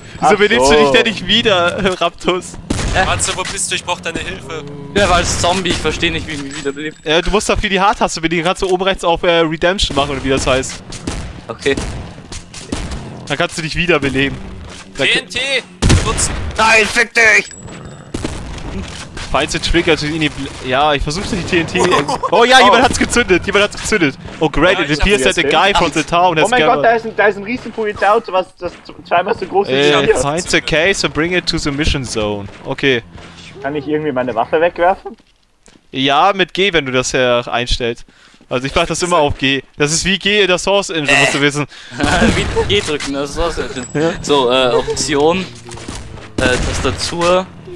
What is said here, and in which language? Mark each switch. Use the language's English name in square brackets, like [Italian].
[German] Wieso benimmst du dich denn nicht wieder, Raptus? Warte, wo bist du? Ich brauch deine Hilfe. Ja, weil es Zombie, ich versteh nicht, wie ich mich wiederbelebt. Ja, du musst dafür die H-Taste bedienen, kannst du oben rechts auf Redemption machen, oder wie das heißt. Okay. Dann kannst du dich wiederbeleben. TNT! Nein, fick dich! Falls du triggerst, also in die. Ja, ich versuch's die TNT. Jemand hat's gezündet! Jemand hat's gezündet! [English] Oh, great, it appears that the guy from the town [German] has. Oh mein Gott, da ist ein riesen Polizeiauto, was das zweimal so groß ist. [English] Find the case and bring it to the mission zone. Okay. [German] Kann ich irgendwie meine Waffe wegwerfen? Ja, mit G, wenn du das ja einstellst. Also, ich mach das immer auf G. Das ist wie G in der Source Engine, musst du wissen. Wie G drücken, das ist Source Engine. So, Option. Tastatur.